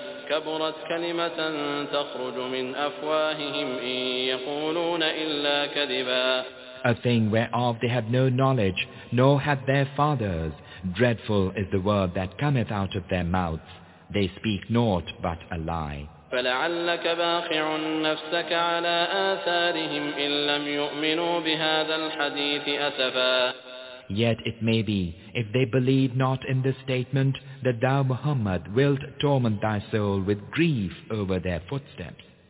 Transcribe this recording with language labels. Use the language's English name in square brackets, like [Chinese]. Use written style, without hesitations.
[Arabic] كبرت كلمة تخرج من أفواههم إن يقولون إلا كذبا [English] A thing whereof they have no knowledge, nor had their fathers. Dreadful is the word that cometh out of their mouths. They speak naught but a lie. [Arabic] فلعلك باخع نفسك على آثارهم إن لم يؤمنوا بهذا الحديث أسفا [English] Yet it may be, if they believe not in this statement, that thou, Muhammad, wilt torment thy soul with grief over their footsteps.